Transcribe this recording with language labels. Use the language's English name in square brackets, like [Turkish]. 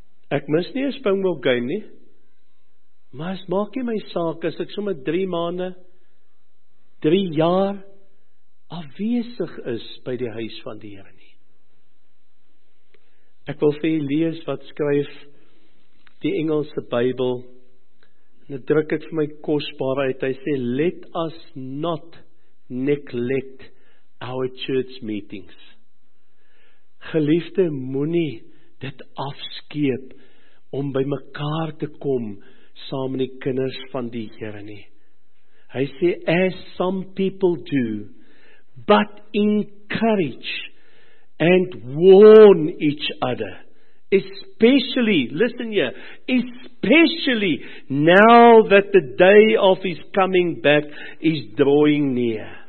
[Afrikaans] Ek mis nie 'n Springbok game nie, maar as maak nie my saak as ek sommer 3 maande, 3 jaar afwesig is by die huis van die Here nie. Ek wil vir u lees wat skryf die Engelse Bybel, en dit druk ek vir my kosbaar uit. Hy sê, [English] let us not neglect our church meetings. [Afrikaans] Geliefde, moenie dit afskeep om by mekaar te kom saam met die kinders van die Here nie. Hy sê, [English] as some people do, but encourage and warn each other, especially, listen here, especially now that the day of his coming back is drawing near.